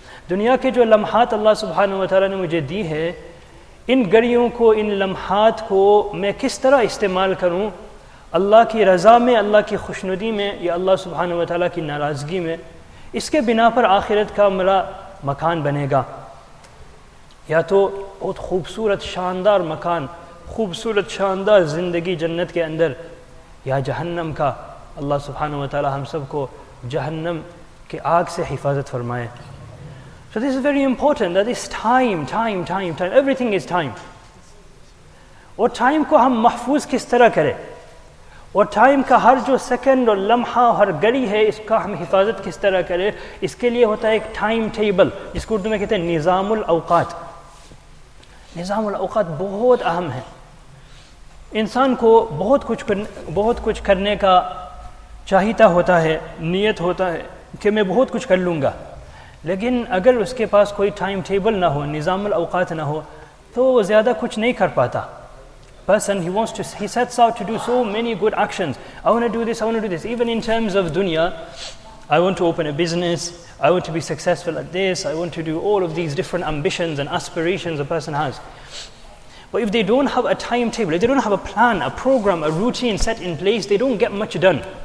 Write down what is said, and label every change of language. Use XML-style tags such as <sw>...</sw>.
<ur>دنیا کے جو لمحات اللہ سبحانہ وتعالی نے مجھے دی ہے, ان گھڑیوں کو, ان لمحات کو میں کس طرح استعمال کروں اللہ کی رضا میں, اللہ کی خوشنودی میں, یا اللہ سبحانہ وتعالی کی ناراضگی میں, اس کے بنا پر آخرت کا میرا مکان بنے گا. یا تو بہت خوبصورت شاندار مکان, خوبصورت شاندار زندگی جنت کے اندر, یا جہنم کا. اللہ سبحانہ وتعالی ہم سب کو جہنم کے آگ سے حفاظت فرمائے.</ur> <en>So this is very important, that it's time, time, time, time. Everything is time.</en> <ur>اور time کو ہم محفوظ کس طرح کرے, اور time کا ہر جو سیکنڈ اور لمحہ اور ہر گھڑی ہے اس کا ہم حفاظت کس طرح کرے, اس کے لیے ہوتا ہے ایک ٹائم ٹیبل, جس کو اردو میں کہتے ہیں نظام الاوقات. نظام الاوقات بہت اہم ہے. انسان کو بہت کچھ کرنے کا چاہتا ہوتا ہے, نیت ہوتا ہے کہ میں بہت کچھ کر لوں گا, لیکن اگر اس کے پاس کوئی ٹائم ٹیبل نہ ہو, نظام الاوقات نہ ہو, تو وہ زیادہ کچھ نہیں کر پاتا.</ur> <en>Person, he sets out to do so many good actions. I want to do this, I want to do this. Even in terms of dunya, I want to open a business, I want to be successful at this, I want to do all of these different ambitions and aspirations a person has. But if they don't have a timetable, if they don't have a plan, a program, a routine set in place, they don't get much done.</en>